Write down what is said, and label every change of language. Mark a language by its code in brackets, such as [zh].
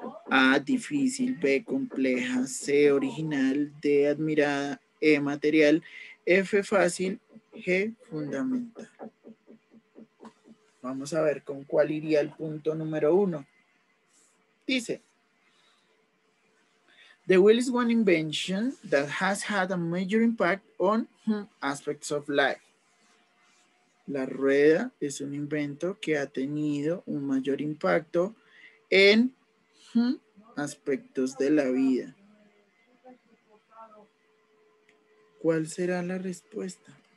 [es] A, difícil; B, compleja; C, original; D, admirada; E, material; F, fácil; G, fundamental. Vamos a ver con cuál iría el punto número uno. Dice: [en] The wheel is one invention that has had a major impact on aspects of life. [es] La rueda es un invento que ha tenido un mayor impacto en aspectos de la vida. ¿Cuál será la respuesta?